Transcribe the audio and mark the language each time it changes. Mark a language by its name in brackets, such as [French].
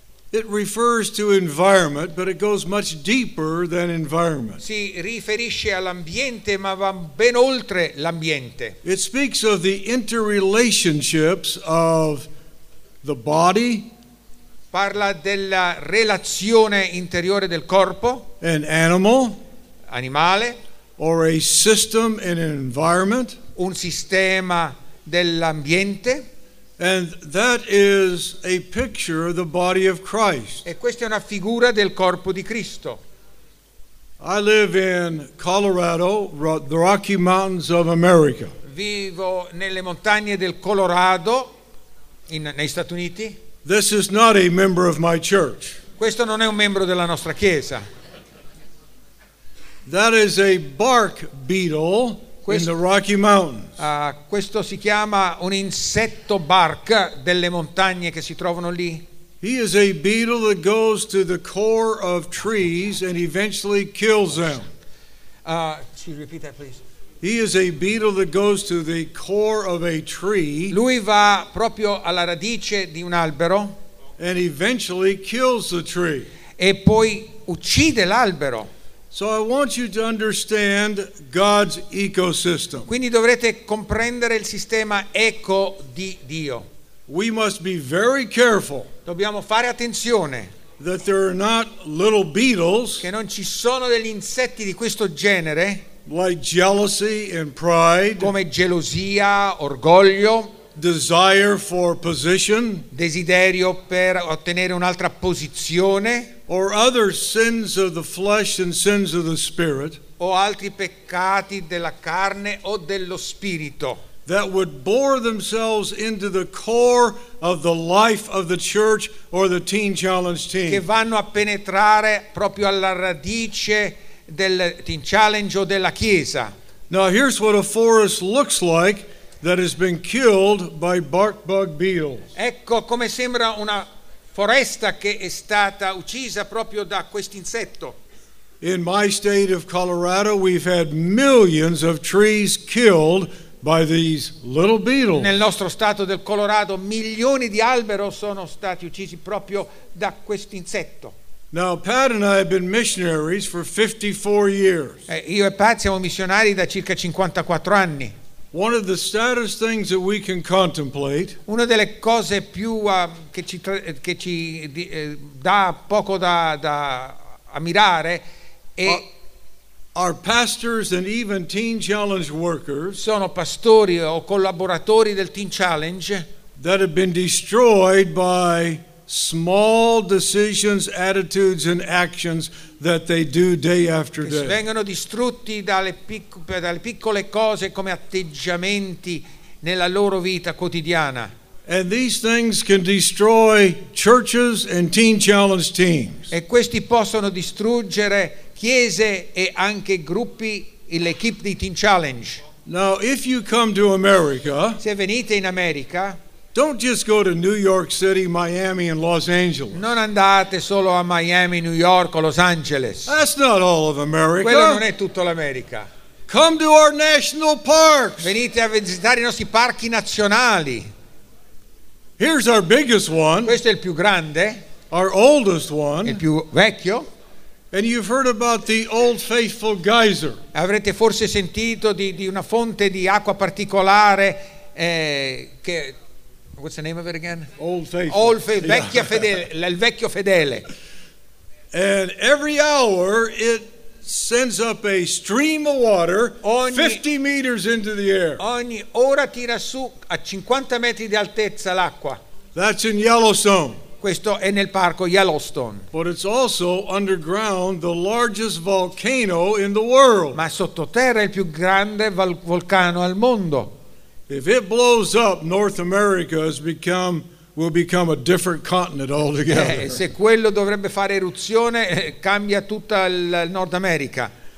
[English] It refers to environment, but it goes much deeper than environment. [Italian] Si riferisce all'ambiente, ma va ben oltre l'ambiente. [English] It speaks of the interrelationships of the body. [Italian] Parla della relazione interiore del corpo. [English] An animal. [Italian] Animale. [English] Or a system in an environment. [Italian] Un sistema dell'ambiente. [English] And that is a picture of the body of Christ. [Italian] E questa è una figura del corpo di Cristo. [English] I live in Colorado, the Rocky Mountains of America. [Italian] Vivo nelle montagne del Colorado, negli Stati Uniti. [English] This is not a member of my church. [Italian] Questo non è un membro della nostra chiesa. [English] That is a bark beetle. In the Rocky Mountains. [Italian] Questo si chiama un insetto bark delle montagne che si trovano lì. [English] He is a beetle that goes to the core of trees and eventually kills them. Repeat that, please. He is a beetle that goes to the core of a tree. [Italian] Lui va proprio alla radice di un albero. [English] And eventually kills the tree. [Italian] E poi uccide l'albero. [English] So I want you to understand God's ecosystem. [Italian] Quindi dovrete comprendere il sistema eco di Dio. [English] We must be very careful. [Italian] Dobbiamo fare attenzione. [English] That there are not little beetles. [Italian] Che non ci sono degli insetti di questo genere. [English] Like jealousy and pride. [Italian] Come gelosia, orgoglio. [English] Desire for position. [Italian] Desiderio per ottenere un'altra posizione. [English] Or other sins of the flesh and sins of the spirit. [Italian] O altri peccati della carne o dello spirito. [English] That would bore themselves into the core of the life of the church or the Teen Challenge team. [Italian] Che vanno a penetrare proprio alla radice del Teen Challenge o della chiesa. [English] Now here's what a forest looks like that has been killed by bark bug beetles. [Italian] Ecco come sembra una foresta che è stata uccisa proprio da questo insetto. [English] In my state of Colorado, we've had millions of trees killed by these little beetles. [Italian] Nel nostro stato del Colorado, milioni di alberi sono stati uccisi proprio da questo insetto. [English] Now, Pat and I have been missionaries for 54 years. [Italian] Io e Pat siamo missionari da circa 54 anni. [English] One of the saddest things that we can contemplate. [Italian] Una delle cose più che ci dà poco da ammirare è [English] our pastors and even Teen Challenge workers. [Italian] Sono pastori o collaboratori del Teen Challenge [English] that have been destroyed by small decisions, attitudes, and actions that they do day after day. [Italian] Che vengono distrutti dalle piccole cose come atteggiamenti nella loro vita quotidiana. [English] And these things can destroy churches and Teen Challenge teams. [Italian] E questi possono distruggere chiese e anche gruppi e l'equipe di Teen Challenge. [English] Now, if you come to America, [Italian] se venite in America. [English] Don't just go to New York City, Miami, and Los Angeles. [Italian] Non andate solo a Miami, New York, o Los Angeles. [English] That's not all of America. [Italian] Quello non è tutto l'America. [English] Come to our national parks. [Italian] Venite a visitare I nostri parchi nazionali. [English] Here's our biggest one. [Italian] Questo è il più grande. [English] Our oldest one. [Italian] Il più vecchio. [English] And you've heard about the Old Faithful geyser. [Italian] Avrete forse sentito di una fonte di acqua particolare che [English] what's the name of it again? Old Faithful. [Italian] Old Faithful. Yeah. Vecchia fedele, il vecchio fedele. [English] And every hour it sends up a stream of water 50 meters into the air. [Italian] Ogni ora tira su a 50 metri di altezza l'acqua. [English] That's in Yellowstone. [Italian] Questo è nel parco Yellowstone. [English] But it's also underground, the largest volcano in the world. [Italian] Ma sottoterra il più grande vulcano al mondo. [English] If it blows up, North America will become a different continent altogether. [Italian] Se quello dovrebbe fare eruzione, cambia tutta il Nord America.